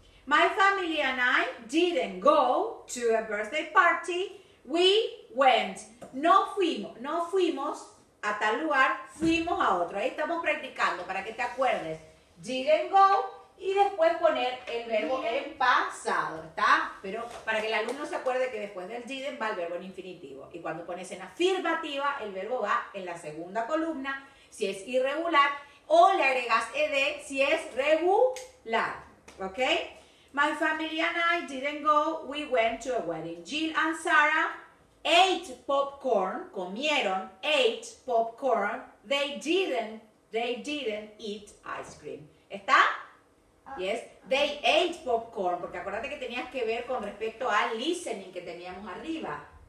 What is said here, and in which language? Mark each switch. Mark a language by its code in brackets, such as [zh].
[en] My family and I didn't go to a birthday party. We went. [es] No fuimos a tal lugar, fuimos a otro. Ahí estamos practicando para que te acuerdes. [en] Didn't go, [es] y después poner el verbo en pasado, ¿está? Pero para que el alumno se acuerde que después del didn't va el verbo en infinitivo. Y cuando pones en afirmativa, el verbo va en la segunda columna, si es irregular, o le agregas ed si es regular, ¿ok? [en] My family and I didn't go, we went to a wedding. Jill and Sarah ate popcorn, [es] comieron, [en] ate popcorn, they didn't eat ice cream. [es] ¿Está? [en] Yes. They ate popcorn. [es] Porque acuérdate que tenías que ver con respecto al listening que teníamos arriba.